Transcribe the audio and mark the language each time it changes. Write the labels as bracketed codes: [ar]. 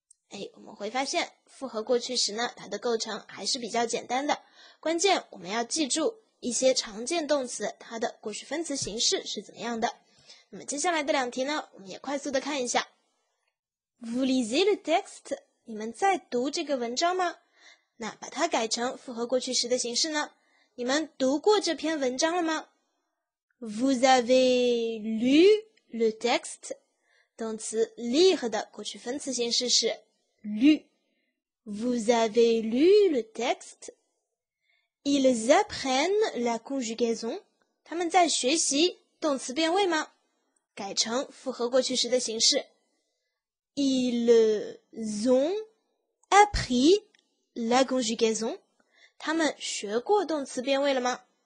[zh] 哎，我们会发现复合过去时呢，它的构成还是比较简单的，关键我们要记住一些常见动词它的过去分词形式是怎么样的。那么接下来的两题呢，我们也快速的看一下。 [fr] Vous lisez le texte， [zh] 你们在读这个文章吗？那把它改成复合过去时的形式呢，你们读过这篇文章了吗？ [fr] Vous avez lu le texte， [zh] 动词 lire 的过去分词形式是lu。 [fr] Vous avez lu le texte。Ils apprennent la conjugaison， [zh] 他们在学习动词变位吗？改成复合过去时的形式， [fr] Ils ont appris la conjugaison， [zh] 他们学过动词变位了吗？